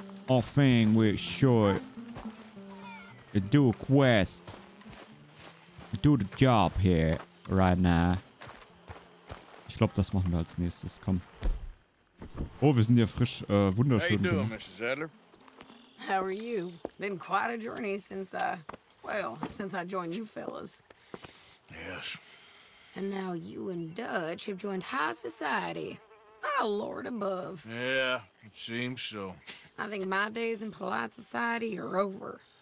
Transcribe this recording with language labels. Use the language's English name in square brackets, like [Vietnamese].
[English] I think we should do a quest. Do the job here, right now. [German] Ich glaube, das machen wir als nächstes. Komm. Oh, wir sind ja frisch, wunderschön. [English] How you doing, Mrs. Adler? How are you? Been quite a journey since I joined you fellas. Yes. And now you and Dutch have joined high society. My lord above. Yeah, it seems so. I think my days in polite society are over.